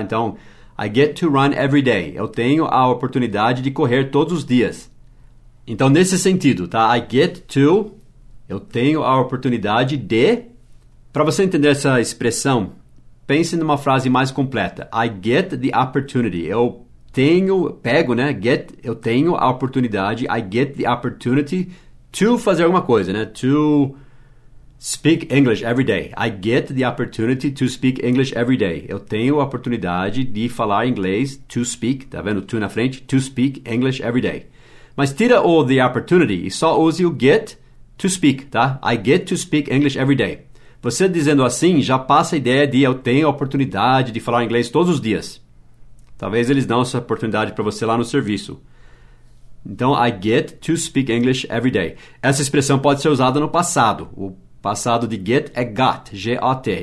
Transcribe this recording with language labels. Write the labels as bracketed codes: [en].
[en] Então, I get to run every day. [pt] Eu tenho a oportunidade de correr todos os dias. Então, nesse sentido, tá? I get to, eu tenho a oportunidade de. Para você entender essa expressão, pense numa frase mais completa. [en] I get the opportunity. Eu tenho, pego, né? [pt] Get, eu tenho a oportunidade. [en] I get the opportunity to fazer alguma coisa, né? To speak English every day. I get the opportunity to speak English every day. [pt] Eu tenho a oportunidade de falar inglês, to speak. Tá vendo? To na frente. To speak English every day. Mas tira o the opportunity e só use o get to speak, tá? [en] I get to speak English every day. [pt] Você dizendo assim, já passa a ideia de eu tenho a oportunidade de falar inglês todos os dias. Talvez eles dão essa oportunidade para você lá no serviço. [en] Então, I get to speak English every day. [pt] Essa expressão pode ser usada no passado. O passado de get é got, G-O-T.